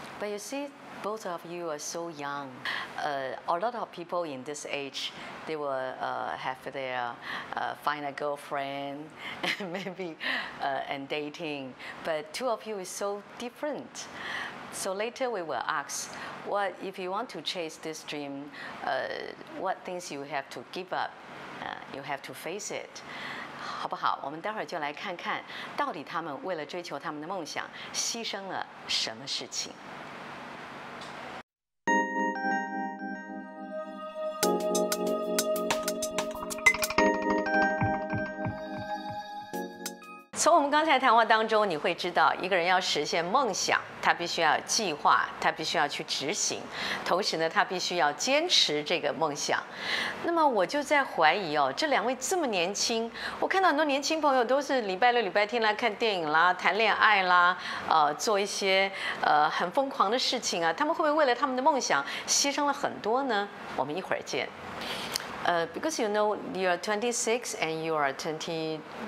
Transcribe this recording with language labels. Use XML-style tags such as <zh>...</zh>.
<en>But you see, both of you are so young. A lot of people in this age, they will have their find a girlfriend, maybe, and dating. But two of you is so different. So later we will ask, what if you want to chase this dream, what things you have to give up, you have to face it.</en> <zh>好不好？我们待会儿就来看看，到底他们为了追求他们的梦想，牺牲了什么事情。从我们刚才谈话当中，你会知道，一个人要实现梦想，他必须要有计划，他必须要去执行，同时呢，他必须要坚持这个梦想。那么我就在怀疑哦，这两位这么年轻，我看到很多年轻朋友都是礼拜六、礼拜天来看电影啦、谈恋爱啦，做一些很疯狂的事情啊，他们会不会为了他们的梦想牺牲了很多呢？我们一会儿见。</zh> <en>Because you know you are 26 and you are 22.</en>